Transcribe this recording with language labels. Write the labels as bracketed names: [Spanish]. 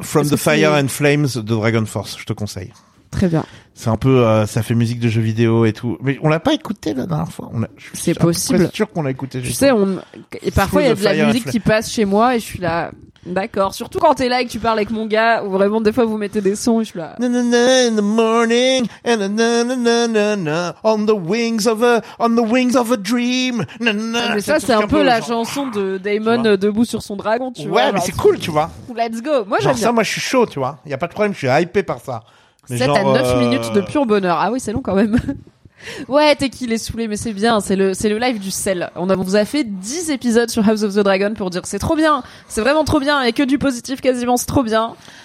[French] From the Fire and Flames de Dragon Force, je te conseille. Très bien. C'est un peu, ça fait musique de jeux vidéo et tout. Mais on l'a pas écouté la dernière fois. C'est possible. Je suis sûr qu'on l'a écouté. Tu sais, parfois il y a de la musique qui passe chez moi et je suis là... D'accord. Surtout quand t'es là et que tu parles avec mon gars, où vraiment, des fois, vous mettez des sons, je suis là. [English] Na, na, in the morning, and na, na, na, na, na, on the wings of a dream, na, na, [French] mais ça, c'est un peu la genre... chanson de Damon debout sur son dragon, tu ouais, vois. Ouais, mais c'est cool, tu vois. [English] Let's go. [French] Moi, genre j'aime bien. Ça, moi, je suis chaud, tu vois. Y a pas de problème, je suis hypé par ça. Mais 7 genre, à 9 minutes de pur bonheur. Ah oui, c'est long quand même. Ouais, t'es qu'il est saoulé, mais c'est bien, c'est le live du sel. On vous a fait 10 épisodes sur House of the Dragon pour dire c'est trop bien, c'est vraiment trop bien, et que du positif quasiment, c'est trop bien.